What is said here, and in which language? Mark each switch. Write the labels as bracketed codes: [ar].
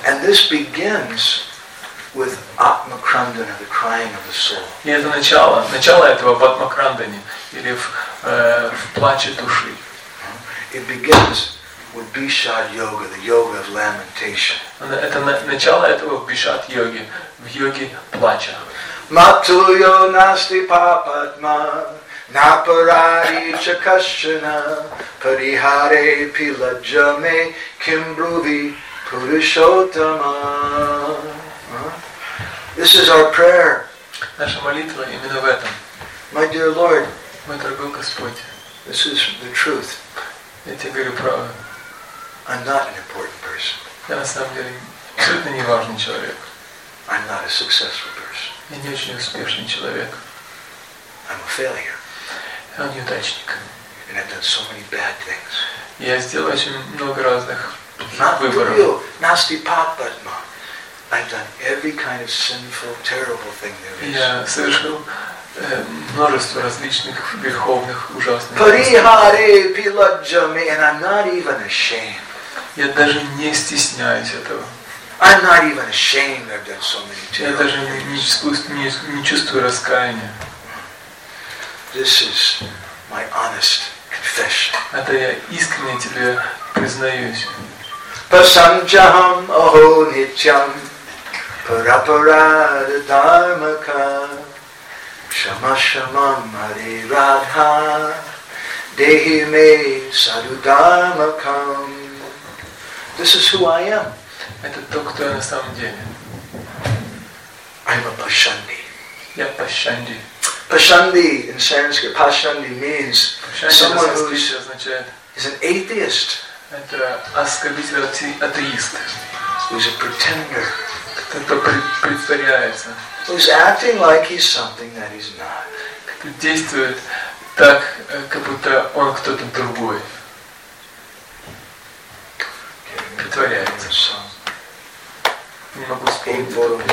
[en] And this begins with Atmakrandana, the crying of the soul. [ru] И это начало, начало этого в Атмакрандане или в плаче души. [en] It begins with Bhishad Yoga, the yoga of lamentation. [ru] Это начало этого Бхишад йоги, в йоге плача. [sa] Матуйо насти папатма, напарари чакашчана, парихаре пиладжаме, кимбруви пурушотама. [en] This is our prayer. [ru] Наша молитва именно в этом. [en] My dear Lord, [ru] мой дорогой Господь, [en] this is the truth. [ru] Я тебе говорю правду. [en] I'm not an important person. [ru] Я на самом деле абсолютно не важный человек. [en] I'm not a successful person. [ru] Я не очень успешный человек. [en] I'm a failure. [ru] Я неудачник. [en] And I've done so many bad things. [ru] Я сделал очень много разных выборов. [en] Not to you, [sa] nasty papatma. [en] I've done every kind of sinful, terrible thing there is. [ru] Я совершил множество различных греховных ужасных. [sa] Парихаре пиладжаме, [en] and I'm not even ashamed. [ru] Я даже не стесняюсь этого. [en] I'm not even ashamed. I've done so many terrible. [ru] Я даже не чувствую раскаяния. [en] This is my honest confession. [ru] Это я искренне тебе признаюсь. [sa] Пасанджахам ахо нитьям парапарада дармака. Shama shama mare radha dehi me sadhu dharma kam. [en] This is who I am. [ru] Это то, кто я на самом деле. [en] I'm a Pashandi. [ru] Я Пашанди. [en] Пашанди in Sanskrit. Пашанди means someone who is an atheist. [ru] Это оскорбитель, атеист. [en] Who's a pretender. [ru] Кто-то притворяется. [en] Who's acting like he's something that he's not. [ru] Действует так, как будто он кто-то другой. Притворяется. Не могу вспомнить.